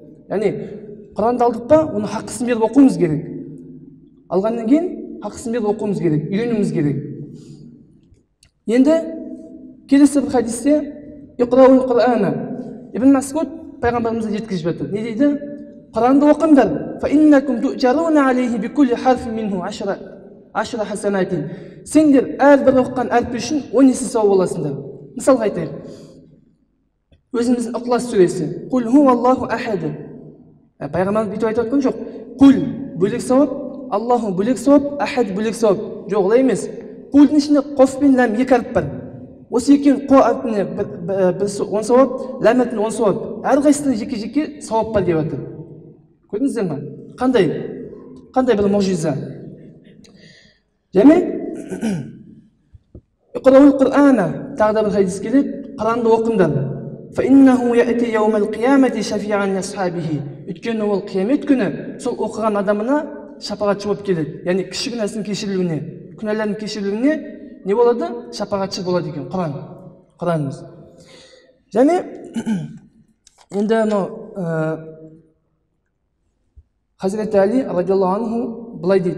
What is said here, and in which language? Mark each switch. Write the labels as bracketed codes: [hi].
[kk] Яғни Құранды алдық па, оны хақысын беріп оқуымыз керек. Алғаннан кейін хақысын беріп оқуымыз керек, үйренуіміз керек. Енді келесі бір хадисте [ar] иқрауль Құрана. [kk] Ибн Масуд пайғамбарымызға жеткізіп отыр. Не дейді? Құранды оқыңдар. [ar] فإنكم تؤجرون عليه بكل حرف منه 10 حسنات. [kk] Сендер әрбір оқыған әріп үшін 10 есе сауап аласыңдар. Мысалға айтайық. Өзіміздің Ықлас сүресі. [ar] Құл хуаллаху ахад. [kk] Пайғамбарымыз бүйтіп айтып отқан жоқ. Құл бөлек сауап, Аллаху бөлек сауап, ахад бөлек сауап. Жоқ, олай емес. Құлдың ішінде қоф пен ләм екі әріп бар. Осы екеуін қоа әрпіне 10 сауап, ләм әрпіне 10 сауап. Әрқайсысында жеке-жеке сауап бар деп отыр. Көрдіңіздер ма? Қандай? Қандай бір мұғжиза? Және [ar] Иқрауль Құрана [kk] тағы да бір хадис келеді. Құранды оқыңдар. [ar] فإنه يأتي يوم القيامة شفيعا لأصحابه. [kk] Өткен ол қиямет күні сол оқыған адамына шапағатшы болып келеді. Яғни кіші күнәсінің кешірілуіне, күнәлерінің кешірілуіне не болады? Шапағатшы болады екен Құран. Құранымыз. Және енді мынау Хазрет Али [ar] радиаллаху анху [kk] былай дейді.